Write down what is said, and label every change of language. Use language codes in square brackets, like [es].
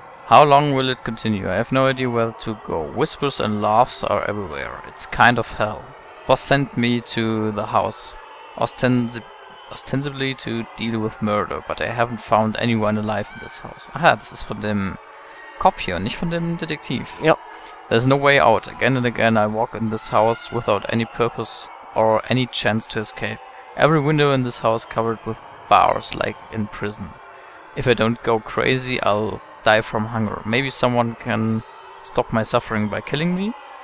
[en] How long will it continue? I have no idea where to go. Whispers and laughs are everywhere. It's kind of hell. Boss sent me to the house. Ostensibly to deal with murder, but I haven't found anyone alive in this house. [de] Aha, das ist von dem Cop hier, nicht von dem Detektiv. Ja. [en] There's no way out. Again and again I walk in this house without any purpose or any chance to escape. Every window in this house covered with bars, like in prison. If I don't go crazy, I'll die from hunger. Maybe someone can stop my suffering by killing me?